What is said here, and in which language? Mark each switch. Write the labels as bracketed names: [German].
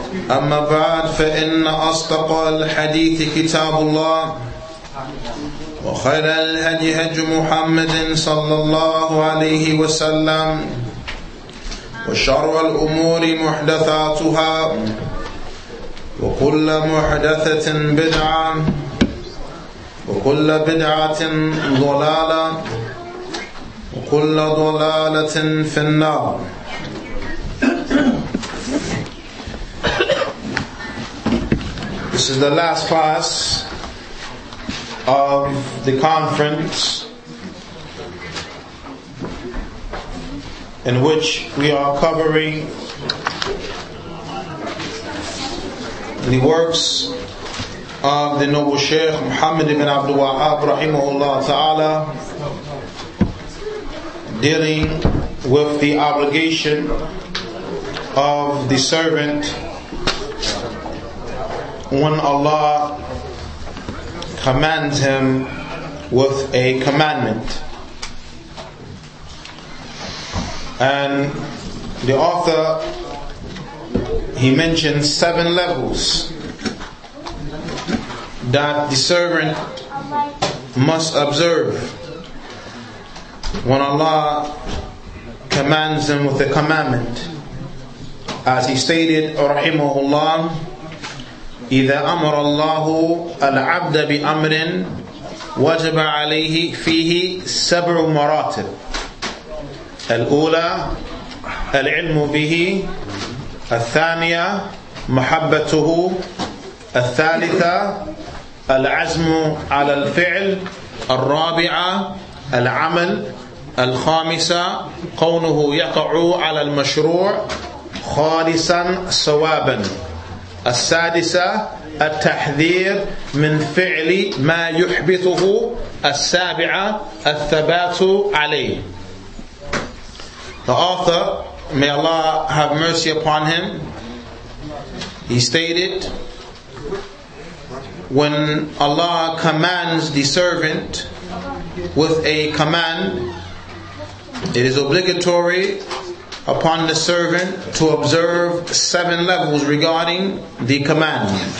[Arabic] أما بعد فإن أصدق الحديث كتاب الله وخير الهدي هدي محمد صلى الله عليه وسلم وشر الأمور محدثاتها وكل محدثة بدعة وكل بدعة ضلالة وكل ضلالة في النار. [English] This is the last class of the conference in which we are covering the works of the noble Sheikh Muhammad ibn Abdul Wahhab rahimahullah ta'ala, dealing with the obligation of the servant when Allah commands him with a commandment. And the author, he mentioned 7 levels that the servant must observe when Allah commands him with a commandment. As he stated, rahimahullah, [Arabic] إِذَا أَمَرَ اللَّهُ الْعَبْدَ بِأَمْرٍ وَجَبَ عَلَيْهِ فِيهِ سَبْعُ مَرَاتِبٍ الأولى العلم به الثانية محبته الثالثة العزم على الفعل الرابعة العمل الخامسة قونه يقع على المشروع خالصا صوابا السادسة التحذير من فعل ما يحبطه السابعة الثبات عليه. [English] The author, may Allah have mercy upon him, he stated, when Allah commands the servant with a command, it is obligatory upon the servant to observe 7 levels regarding the command.